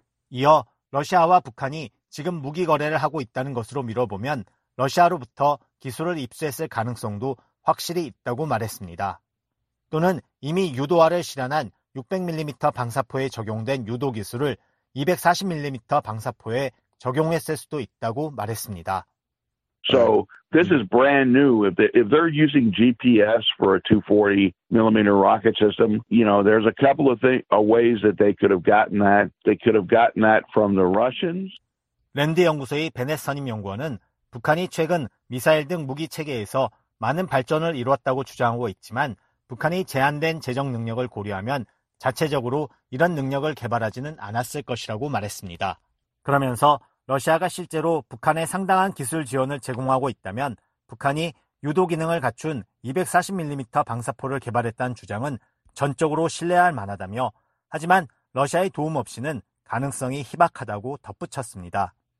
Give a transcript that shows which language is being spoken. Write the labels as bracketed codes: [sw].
[ko] 이어 러시아와 북한이 지금 무기 거래를 하고 있다는 것으로 미뤄보면 러시아로부터 기술을 입수했을 가능성도 확실히 있다고 말했습니다. 또는 이미 유도화를 실현한 600mm 방사포에 적용된 유도 기술을 240mm 방사포에 적용했을 수도 있다고 말했습니다. [en] So this is brand new. If they're using GPS for a 240mm rocket system, you know, there's a couple of ways that they could have gotten that. They could have gotten that from the Russians. [ko] 랜드 연구소의 베넷 선임 연구원은 북한이 최근 미사일 등 무기 체계에서 많은 발전을 이루었다고 주장하고 있지만 북한이 제한된 재정 능력을 고려하면 자체적으로 이런 능력을 개발하지는 않았을 것이라고 말했습니다. 그러면서 러시아가 실제로 북한에 상당한 기술 지원을 제공하고 있다면 북한이 유도 기능을 갖춘 240mm 방사포를 개발했다는 주장은 전적으로 신뢰할 만하다며 하지만 러시아의 도움 없이는 가능성이 희박하다고 덧붙였습니다.